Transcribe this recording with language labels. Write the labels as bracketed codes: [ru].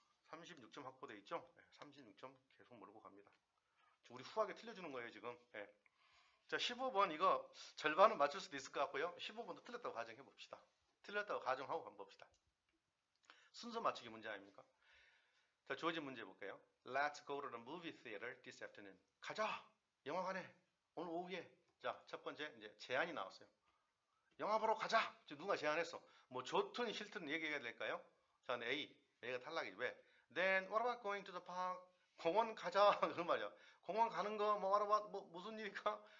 [ko] 36점 확보돼 있죠? 예, 36점 계속 몰고 갑니다. 우리 후하게 틀려주는 거예요, 지금. 예. 자, 15번 이거 절반은 맞출 수도 있을 것 같고요. 15번도 틀렸다고 가정해 봅시다. 틀렸다고 가정하고 한번 봅시다. 순서 맞추기 문제 아닙니까? 자, 주어진 문제 볼게요. [en] Let's go to the movie theater this afternoon. [ko] 가자! 영화관에! 오늘 오후에! 자, 첫 번째, 이제 제안이 나왔어요. 영화 보러 가자! 지금 누가 제안했어? 뭐, 좋든 싫든 얘기해야 될까요? 저는 A. A가 탈락이지, 왜? [en] Then, what about going to the park? [ko] 공원 가자! 그런 말이야. 공원 가는 거, 뭐, [en] what about, [ko] 뭐, 무슨 일일까?